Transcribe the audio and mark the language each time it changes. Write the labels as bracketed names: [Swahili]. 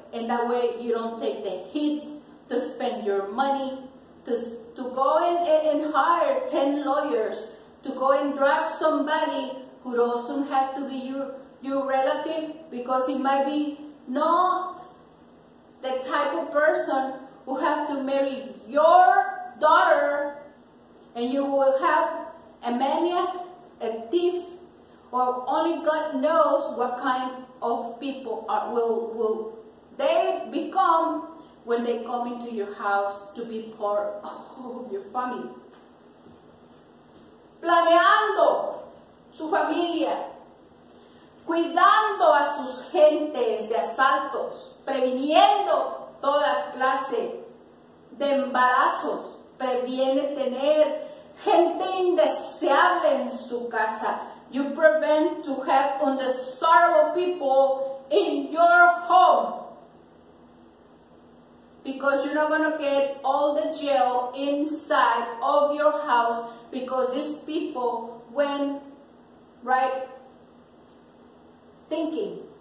[English] And that way you don't take the hit to spend your money, to go and hire 10 lawyers, to go and drug somebody who doesn't have to be your relative, because it might be not the type of person who have to marry your daughter, and you will have a maniac, a thief, or only God knows what kind of people are, will they become when they come into your house to be part of your family? [Spanish] Planeando su familia, cuidando a sus gentes de asaltos, previniendo toda clase de embarazos, previene tener gente indeseable en su casa. [English] You prevent to have undesirable people in your home. Because you're not going to get all the jail inside of your house because these people went right thinking.